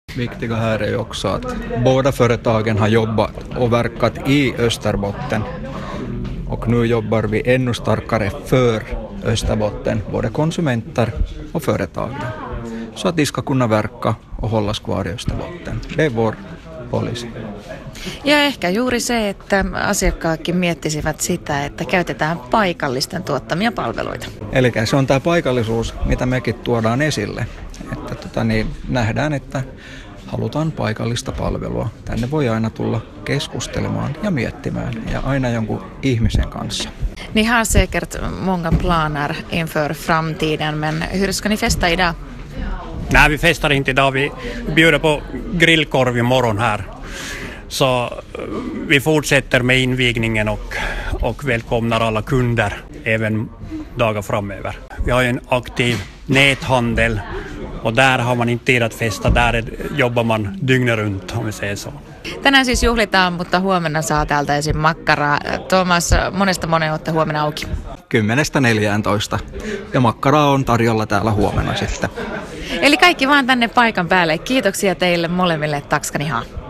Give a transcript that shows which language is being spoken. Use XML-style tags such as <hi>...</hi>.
<sv>Viktiga här är ju också att båda företagen har jobbat och verkat i Österbotten. Och nu jobbar vi ännu starkare för Österbotten, både konsumenter och företag. Så att de ska kunna verka och hållas kvar i Österbotten. Det är vår policy.</sv> <fi>Ja ehkä juuri se, että asiakkaatkin miettisivät sitä, että käytetään paikallisten tuottamia palveluita. Eli se on tämä paikallisuus, mitä mekin tuodaan esille. Että nähdään, että halutaan paikallista palvelua. Tänne voi aina tulla keskustelemaan ja miettimään ja aina jonkun ihmisen kanssa.</fi> <sv>Ni har säkert många planer inför framtiden, men hur ska ni festa idag? Nej, vi festar inte idag. Vi bjuder på grillkorv imorgon här. Så vi fortsätter med invigningen och välkomnar alla kunder även dagar framöver. Vi har ju en aktiv näthandel och där har man inte tid att festa. Där jobbar man dygnet runt, om vi säger så.</sv> <fi>Tänään siis juhlitaan, mutta huomenna saa täältä esim. Makkaraa. Tuomas, monesta moneen olette huomenna auki? 10-14. Ja makkaraa on tarjolla täällä huomenna sitten. Eli kaikki vaan tänne paikan päälle. Kiitoksia teille molemmille,</fi> <sv>Tack ska ni ha.</sv>